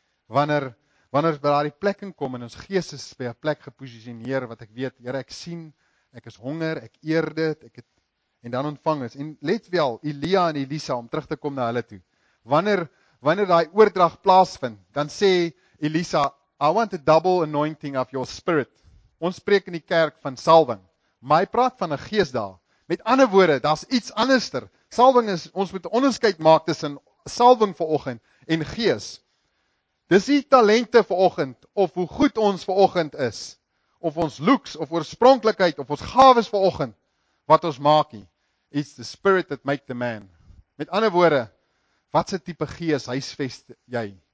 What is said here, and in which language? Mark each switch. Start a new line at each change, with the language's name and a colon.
Afrikaans: Wanneer ons by daardie plek kom en ons gees is by 'n plek geposisioneer wat ek weet, Here, ek sien, ek is honger, ek eer dit, ek het en dan ontvang is. En let wel, Elia en Elisa om terug te kom na hulle toe. Wanneer daai oordrag plaasvind, dan sê Elisa,
English: I want a double anointing of your spirit.
Afrikaans: Ons spreek in die kerk van salwing. Maar hy praat van 'n gees daar. Met ander woorde, daar's iets anderster. Salwing is, ons moet 'n onderskeid maak tussen salwing vanoggend en gees. Dis nie talente vanoggend of hoe goed ons vanoggend is of ons looks of oorspronklikheid of ons gawes vanoggend wat ons maak nie.
English: It's the spirit that make the man.
Afrikaans: Met ander woorde, wat se tipe gees huisves jy?